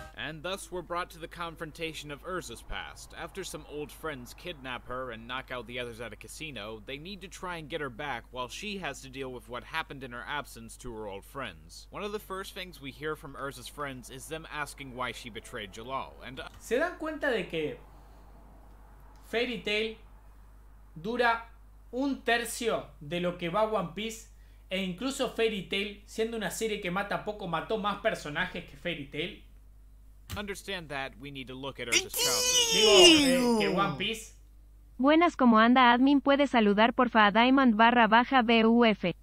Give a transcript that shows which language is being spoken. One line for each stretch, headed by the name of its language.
English: And thus we're brought to the confrontation of Urza's past. After some old friends kidnap her and knock out the others at a casino, they need to try and get her back while she has to deal with what happened in her absence to her old friends. One of the first things we hear from Urza's friends is them asking why she betrayed Jalal, and
Spanish: ¿Se dan cuenta de que Fairy Tail dura un tercio de lo que va One Piece? E incluso Fairy Tail, siendo una serie que mata poco, mató más personajes que Fairy Tail.
English: Understand that we need to look at Urza's childhood.
Spanish: Digo, que One Piece. Buenas, como anda admin, puede saludar porfa a Diamond barra baja BUF.